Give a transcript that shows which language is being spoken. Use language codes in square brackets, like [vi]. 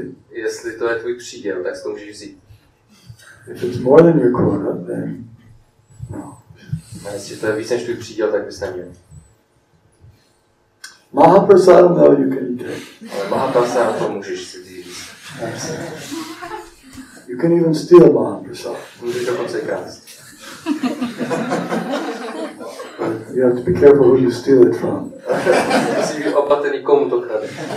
[cs] Jestli to je tvůj příděl, tak si to můžeš vzít. [en] If it's more than your quota, then no. [cs] A jestli to je víc než tvůj příděl, tak bys neměl. [en] Mahaprasad, no, you can eat it. [cs] Ale Mahaprasad, to můžeš si vzít. [en] You can even steal Mahaprasad. [cs] Můžeš dokonce krást. [en] You have to be careful who you steal it from. [cs] Musí být opatrný, komu to krade.